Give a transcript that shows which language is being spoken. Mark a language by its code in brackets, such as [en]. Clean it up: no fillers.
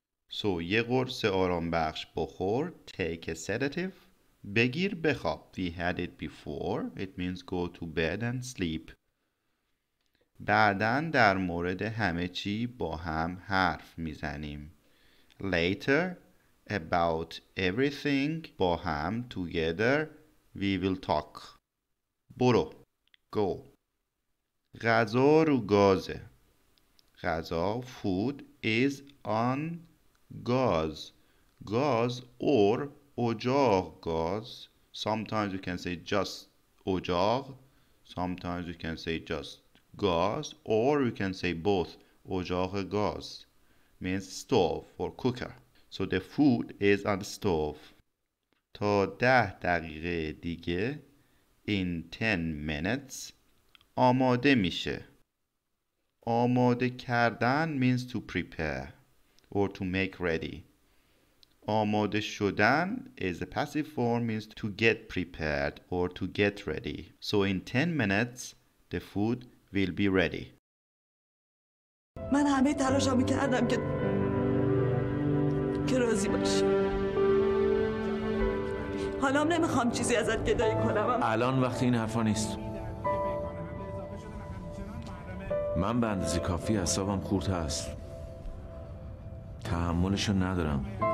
[fa] So, یه قرص آرام بخش بخور, [en] take a sedative, [fa] بگیر, بخواب. [en] We had it before, it means go to bed and sleep. [fa] بعدن در مورد همه چی با هم حرف میزنیم. [en] Later, about everything, [fa] با هم, [en] together, we will talk. [fa] برو, [en] go. [fa] غذا رو گازه. [en] غذا, food, is on gas, gas or ojag gas. Sometimes you can say just ojag, sometimes you can say just gas, or you can say both. Ojag gas means stove or cooker. So the food is on the stove. [fa] تا 10 دقیقه دیگه, [en] in 10 minutes, [fa] آماده میشه. [en] آماده کردن means to prepare or to make ready. آماده شدن is a passive form, means to get prepared or to get ready. So in 10 minutes, the food will be ready. [fa] من همه تلاشم کردم که راضی باشی. حالا نمیخوام چیزی ازت گدایی کنم. الان وقت این حرفا نیست. من به اندازه کافی اعصابم خورد هست. تحملشو ندارم.